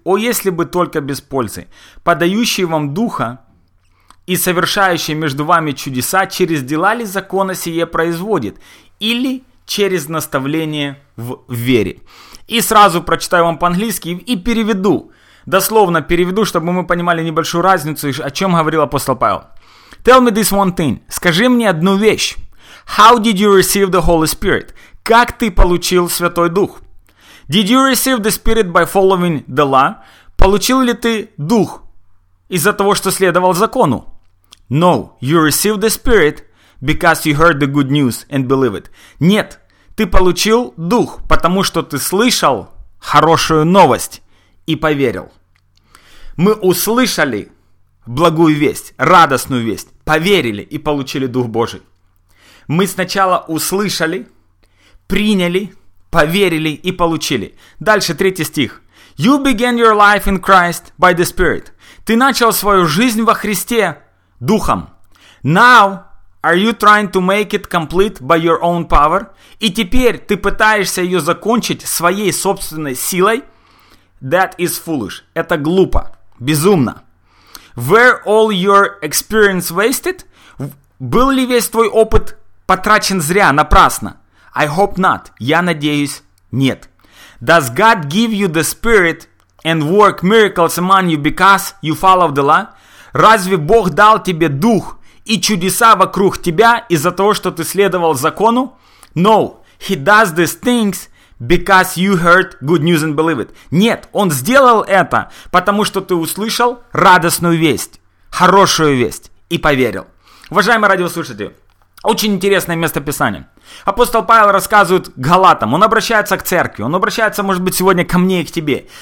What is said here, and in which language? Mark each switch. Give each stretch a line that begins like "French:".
Russian: О, если бы только без пользы! Подающий вам духа и совершающий между вами чудеса, через дела ли закона сие производит? Или через наставление в вере?» И сразу прочитаю вам по-английски и переведу. Дословно переведу, чтобы мы понимали небольшую разницу, о чем говорил апостол Павел.
English: Tell me this one thing.
Russian: Скажи мне одну вещь.
English: How did you receive the Holy Spirit?
Russian: Как ты получил Святой Дух?
English: Did you receive the Spirit by following the law?
Russian: Получил ли ты Дух из-за того, что следовал закону?
English: No, you received the Spirit because you heard the good news and believe it.
Russian: Нет, ты получил Дух, потому что ты слышал хорошую новость и поверил. Мы услышали благую весть, радостную весть, поверили и получили Дух Божий. Мы сначала услышали, приняли, поверили и получили. Дальше, 3 стих.
English: You began your life in Christ by the Spirit.
Russian: Ты начал свою жизнь во Христе Духом.
English: Now, are you trying to make it complete by your own power?
Russian: И теперь ты пытаешься ее закончить своей собственной силой?
English: That is foolish.
Russian: Это глупо. Безумно.
English: Were all your experience wasted?
Russian: Был ли весь твой опыт потрачен зря, напрасно?
English: I hope not.
Russian: Я надеюсь, нет.
English: Does God give you the Spirit and work miracles among you because you follow the law?
Russian: Разве Бог дал тебе Дух и чудеса вокруг тебя из-за того, что ты следовал закону?
English: No, he does these things because you heard good news and believe it.
Russian: Нет, он сделал это, потому что ты услышал радостную весть, хорошую весть и поверил. Уважаемые радиослушатели, очень интересное местописание. Апостол Павел рассказывает Галатам, он обращается к церкви, он обращается, может быть, сегодня ко мне и к тебе.